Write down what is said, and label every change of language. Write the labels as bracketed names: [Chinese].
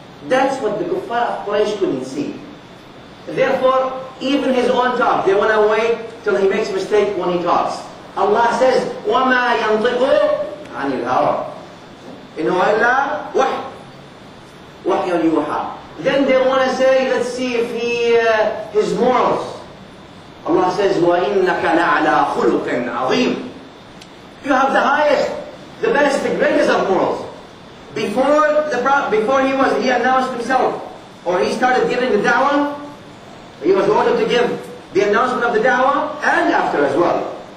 [English] That's what the kuffar of Quraysh couldn't see. Therefore, even his own talk, they want to wait till he makes a mistake when he talks. Allah says, [Arabic] وَمَا يَنْطِقُ عَنِ الْهَوَى إِنُوا إِلَّا وَحْيَ يُوحَى. [English] Then they want to say, let's see if he, his morals, Allah says, [Arabic] وَإِنَّكَ لَعْلَى خُلُقٍ عَظِيمٍ. [English] You have the highest, the best, the greatest of morals. Before he announced himself, or he started giving the da'wah, he was ordered to give the announcement of the da'wah, and after as well.